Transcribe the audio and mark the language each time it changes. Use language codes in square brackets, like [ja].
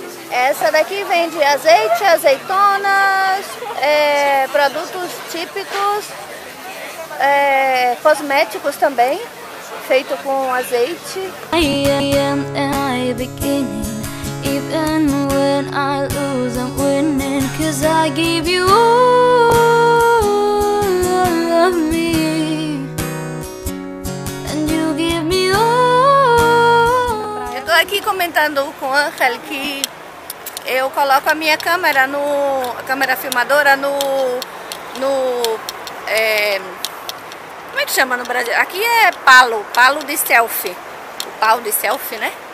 [pt] Essa daqui vende azeite, azeitonas, produtos típicos, cosméticos também, feito com azeite. [en] I am I beginning, even when I lose, I'm winning, cause I give you all of me. And you give me all. [pt] Eu tô aqui comentando com a Angel que eu coloco a minha câmera filmadora no como é que chama no Brasil? Aqui é palo de selfie. O pau de selfie, né?